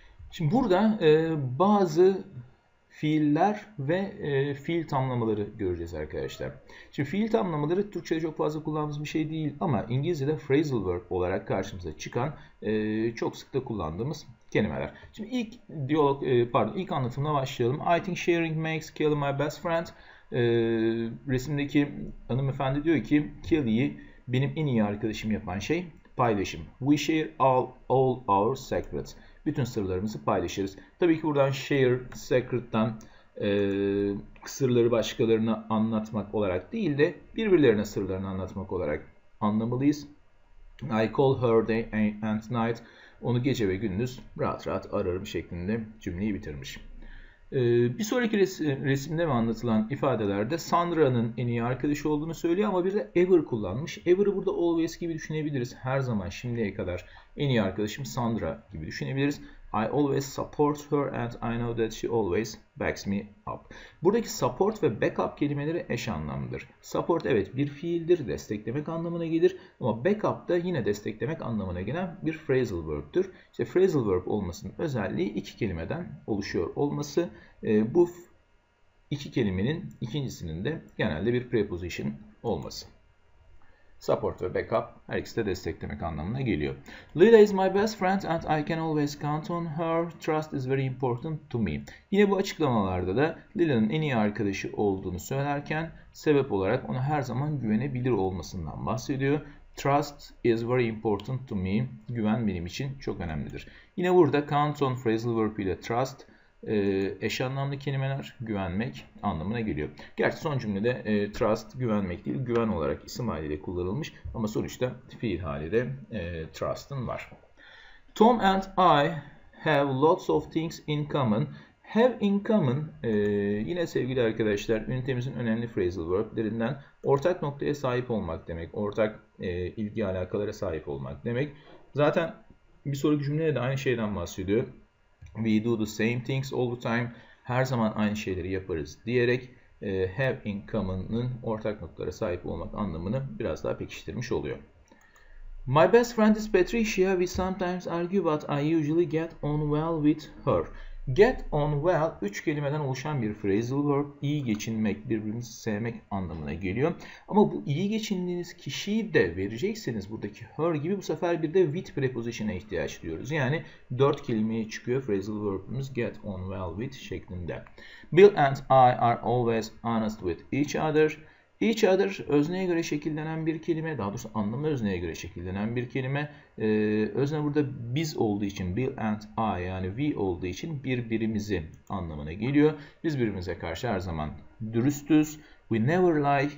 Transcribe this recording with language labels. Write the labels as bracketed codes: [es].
[tr] Şimdi burada bazı fiiller ve fiil tamlamaları göreceğiz arkadaşlar. Şimdi fiil tamlamaları Türkçe'de çok fazla kullandığımız bir şey değil ama İngilizce'de phrasal verb olarak karşımıza çıkan çok sık da kullandığımız kelimeler. Şimdi ilk anlatımla başlayalım. [en] I think sharing makes Kelly my best friend. [tr] Resimdeki hanımefendi diyor ki Kelly'yi benim en iyi arkadaşım yapan şey paylaşım. [en] We share all our secrets. [tr] Bütün sırlarımızı paylaşırız. Tabii ki buradan share, secret'tan sırları başkalarına anlatmak olarak değil de birbirlerine sırlarını anlatmak olarak anlamalıyız. [en] I call her day and night. [tr] Onu gece ve gündüz rahat rahat ararım şeklinde cümleyi bitirmiş. Bir sonraki resimde mi anlatılan ifadelerde Sandra'nın en iyi arkadaşı olduğunu söylüyor ama bir de ever kullanmış. Ever'ı burada always gibi düşünebiliriz. Her zaman şimdiye kadar en iyi arkadaşım Sandra gibi düşünebiliriz. [en] I always support her and I know that she always backs me up. [tr] Buradaki support ve backup kelimeleri eş anlamlıdır. Support evet bir fiildir, desteklemek anlamına gelir ama backup da yine desteklemek anlamına gelen bir phrasal verb'tür. İşte phrasal verb olmasının özelliği iki kelimeden oluşuyor olması. Bu iki kelimenin ikincisinin de genelde bir preposition olması. Support ve backup her ikisi de desteklemek anlamına geliyor. [en] Lila is my best friend and I can always count on her. Trust is very important to me. [tr] Yine bu açıklamalarda da Lila'nın en iyi arkadaşı olduğunu söylerken sebep olarak ona her zaman güvenebilir olmasından bahsediyor. [en] Trust is very important to me. [tr] Güven benim için çok önemlidir. Yine burada count on phrasal verb ile trust eş anlamlı kelimeler güvenmek anlamına geliyor. Gerçi son cümlede trust güvenmek değil, güven olarak isim haliyle kullanılmış ama sonuçta fiil halinde trust'ın var. [en] Tom and I have lots of things in common. [tr] Have in common yine sevgili arkadaşlar ünitemizin önemli phrasal verb'lerinden ortak noktaya sahip olmak demek, ortak ilgi alakalara sahip olmak demek. Zaten bir sonraki cümlede de aynı şeyden bahsediyor. [en] We do the same things all the time. [tr] Her zaman aynı şeyleri yaparız diyerek have in common'ın ortak noktalara sahip olmak anlamını biraz daha pekiştirmiş oluyor. [en] My best friend is Patricia. We sometimes argue but I usually get on well with her. [tr] Get on well, üç kelimeden oluşan bir phrasal verb. İyi geçinmek, birbirimizi sevmek anlamına geliyor. Ama bu iyi geçindiğiniz kişiyi de verecekseniz buradaki her gibi bu sefer bir de with preposition'a ihtiyaç duyuyoruz. Yani dört kelimeye çıkıyor phrasal verb'ümüz get on well with şeklinde. [en] Bill and I are always honest with each other. [tr] Each other özneye göre şekillenen bir kelime, daha doğrusu anlamı özneye göre şekillenen bir kelime. Özne burada biz olduğu için, Bill and I yani we olduğu için birbirimizi anlamına geliyor. Biz birbirimize karşı her zaman dürüstüz. [en] We never lie.